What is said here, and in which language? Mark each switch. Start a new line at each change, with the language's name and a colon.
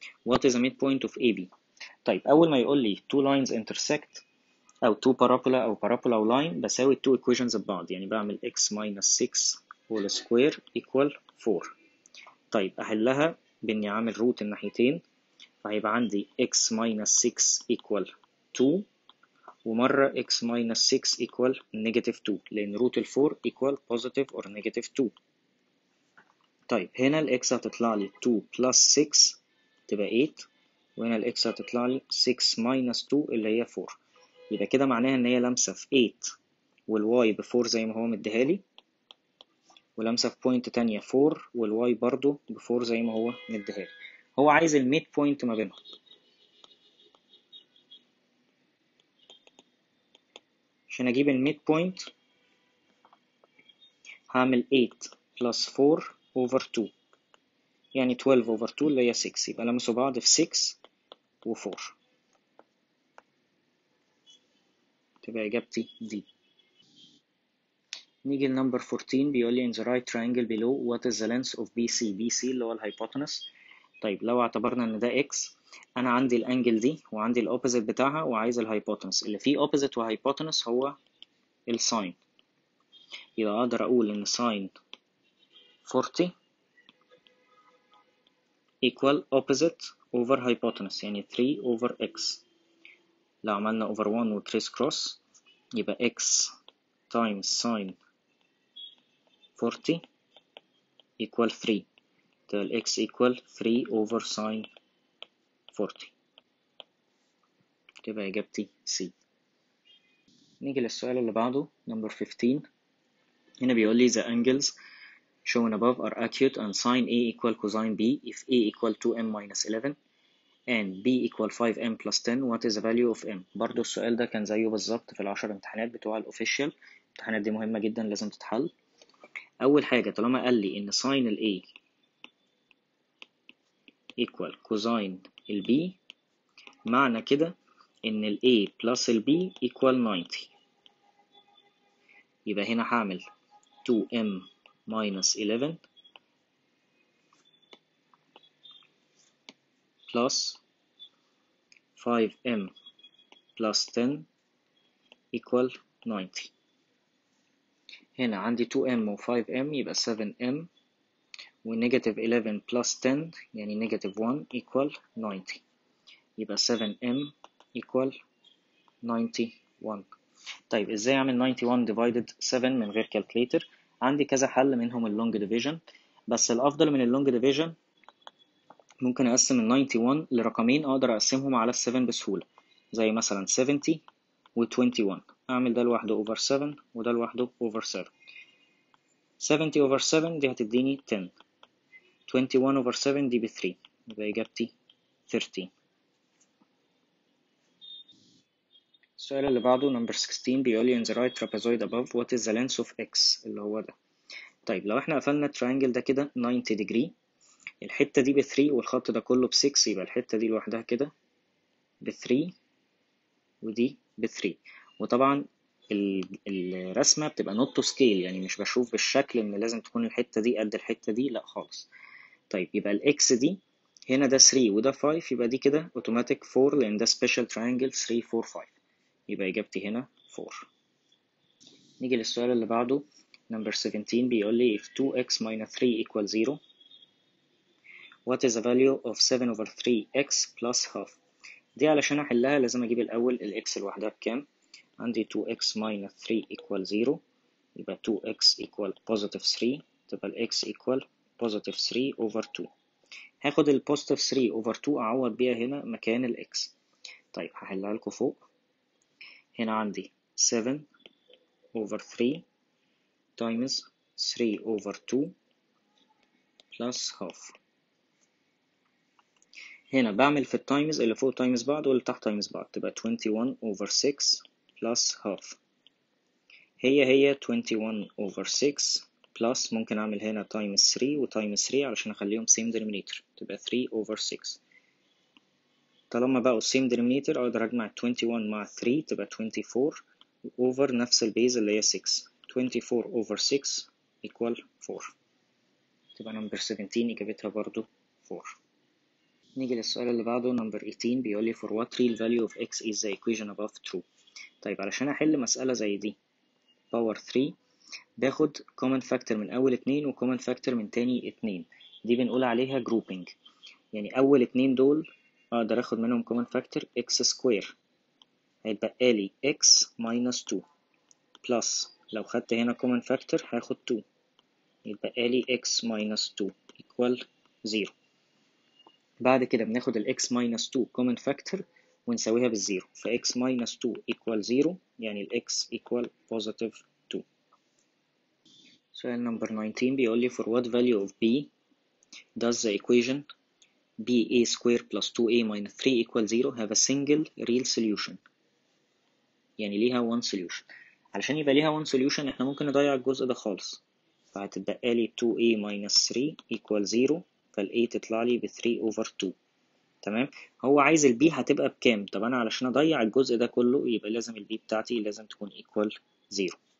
English: What is the midpoint of AB?
Arabic: طيب أول ما يقول لي
English: two lines intersect أو two parabola أو parabola أو line بساوي two equations ببعض،
Arabic: يعني بعمل
English: x minus 6 whole square equal 4. طيب أحلها بإني عامل root الناحيتين، فهيبقى عندي x minus 6 equal 2 ومرة x minus 6 equal negative 2 لأن root 4 equal positive or negative 2.
Arabic: طيب هنا ال x هتطلع لي 2 plus 6 تبقى 8، وهنا ال x هتطلع لي 6 minus 2 اللي هي 4. يبقى كده معناها إن هي لمسة في 8 وال y ب 4 زي ما هو مديها لي، ولمسة في بوينت تانية 4 وال y برضو ب 4 زي ما هو مديها لي. هو عايز الميد بوينت ما بينهم. عشان اجيب الميد بوينت هعمل 8 plus 4 over 2 يعني 12 over 2 اللي هي 6، يبقى لمسوا بعض في 6 و 4 تبقى اجابتي دي. نيجي لنمبر 14. بيقول لي
English: in the right triangle below what is the length of BC.
Arabic: BC اللي هو الهايبوتنس. طيب لو اعتبرنا ان ده x، انا عندي الانجل دي وعندي الاوبوزيت بتاعها وعايز الهايبوتنس. اللي فيه اوبوزيت وهايبوتنس هو الساين، يبقى اقدر اقول ان ساين 40
English: equal opposite over hypotenuse
Arabic: يعني 3 over x.
English: لو عملنا over 1 و 3 cross يبقى x times sin 40 equal 3، ال x equal 3 over sine 40 تبقى اجابتي c.
Arabic: نيجي للسؤال اللي بعده
English: number 15.
Arabic: هنا بيقول لي
English: the angles shown above are acute and sine a equal cosine b if a equal 2m minus 11 and b equal 5m plus 10 what is the value of m.
Arabic: برضو السؤال ده كان زيه بالظبط في العشر امتحانات بتوع الاوفيشال. امتحانات دي مهمة جدا لازم تتحل. اول حاجة طالما قال لي ان sine ال a equal cosine الb معنى كده ان ال
English: a plus الb equal 90،
Arabic: يبقى هنا هعمل 2m minus 11 plus 5m plus 10 equal 90. هنا عندي 2m و 5m يبقى 7m و negative 11 plus 10 يعني negative 1 equal 90، يبقى 7m equal 91. طيب ازاي اعمل 91 divided 7
English: من غير calculator؟
Arabic: عندي كذا حل منهم اللونج ديفيجن، بس الافضل من اللونج ديفيجن ممكن اقسم ال 91 لرقمين اقدر اقسمهم على ال 7 بسهولة، زي مثلا 70 و 21. اعمل ده لوحده over 7 وده لوحده over 7. 70 over 7 دي هتديني 10، 21 over 7 دي ب 3 يبقى اجابتي 13. السؤال اللي بعده number 16. بيقول لي
English: in the right trapezoid above what is the length of x
Arabic: اللي هو ده. طيب لو احنا قفلنا triangle ده كده 90 degree، الحتة دي ب 3 والخط ده كله ب 6، يبقى الحتة دي لوحدها كده ب 3 ودي ب 3. وطبعا الرسمة بتبقى not to scale، يعني مش بشوف بالشكل ان لازم تكون الحتة دي قد الحتة دي، لا خالص. طيب يبقى ال x دي هنا ده 3 وده 5، يبقى دي كده automatic 4 لان ده special triangle 3 4 5، يبقى اجابتي هنا 4. نيجي للسؤال اللي بعده number 17. بيقول لي
English: if 2x minus 3 equal 0 what is the value of 7 over 3x plus half.
Arabic: دي علشان احلها لازم اجيب الاول ال x لوحدها بكام. عندي 2x minus 3 equal 0، يبقى 2x equal positive 3
English: تبقى ال x equal positive 3 over 2.
Arabic: هاخد ال positive 3 over 2 أعوض بيها هنا مكان ال x. طيب هحلها لكم فوق، هنا عندي 7 over 3 times 3 over 2 plus half. هنا بعمل في التايمز اللي فوق تايمز بعض واللي تحت تايمز بعض، تبقى 21 over 6 plus half، هي 21 over 6 plus، ممكن اعمل هنا تايمز 3 وتايمز 3 علشان اخليهم same denominator، تبقى 3 over 6. طالما بقوا same denominator اقدر اجمع 21 مع 3 تبقى 24 over نفس البيز اللي هي 6، 24 over 6 equal 4، تبقى number 17 اجابتها برضو 4. نيجي للسؤال اللي بعده
English: number 18،
Arabic: بيقولي
English: for what real value of x is the equation above true.
Arabic: طيب علشان احل مسألة زي دي power 3 باخد common factor من اول 2 و common factor من تاني 2، دي بنقول عليها grouping، يعني اول 2 دول اقدر اخد منهم common factor x square، هيبقى لي x minus 2 plus، لو خدت هنا common factor هاخد 2، يبقى لي x minus 2 equal 0. بعد كده بناخد ال x minus 2 common factor ونساويها بالزيرو، ف x minus 2 equal 0 يعني ال x equal positive 2. سؤال
English: number 19
Arabic: بيقول لي
English: for what value of b does the equation b a square plus 2 a minus 3 equal 0 have a single real solution،
Arabic: يعني ليها
English: one solution.
Arabic: علشان يبقى ليها one solution احنا ممكن نضيع الجزء ده خالص، فهتبقى لي 2 a minus 3 equal 0، فال A تطلع لي ب 3 over 2. تمام، هو عايز ال B هتبقى بكام؟ طب انا علشان اضيع الجزء ده كله يبقى لازم ال B بتاعتي لازم تكون equal 0.